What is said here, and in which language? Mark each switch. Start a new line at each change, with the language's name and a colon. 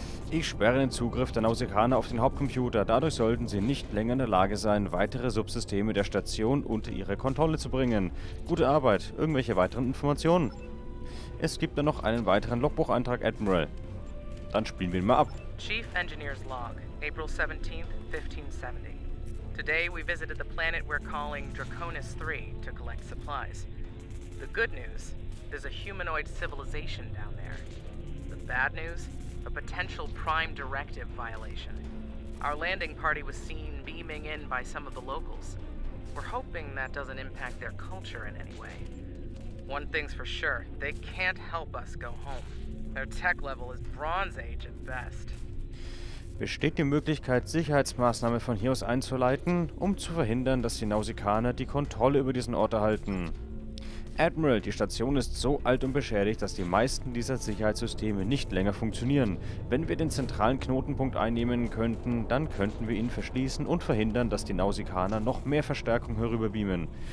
German: Ich sperre den Zugriff der Nausikaner auf den Hauptcomputer. Dadurch sollten sie nicht länger in der Lage sein, weitere Subsysteme der Station unter ihre Kontrolle zu bringen. Gute Arbeit. Irgendwelche weiteren Informationen? Es gibt da noch einen weiteren Logbucheintrag, Admiral. Dann spielen wir ihn mal ab.
English: Chief Engineer's Log, April 17th, 1570. Today we visited the planet we're calling Draconis 3 to collect supplies. The good news, there's a humanoid civilization down there. The bad news, a potential Prime Directive violation. Our landing party was seen beaming in by some of the locals. We're hoping that doesn't impact their culture in any way. One thing's for sure, they can't help us go home. Their tech level is Bronze Age at best.
German: Besteht die Möglichkeit, Sicherheitsmaßnahmen von hier aus einzuleiten, um zu verhindern, dass die Nausikaner die Kontrolle über diesen Ort erhalten? Admiral, die Station ist so alt und beschädigt, dass die meisten dieser Sicherheitssysteme nicht länger funktionieren. Wenn wir den zentralen Knotenpunkt einnehmen könnten, dann könnten wir ihn verschließen und verhindern, dass die Nausikaner noch mehr Verstärkung herüberbeamen.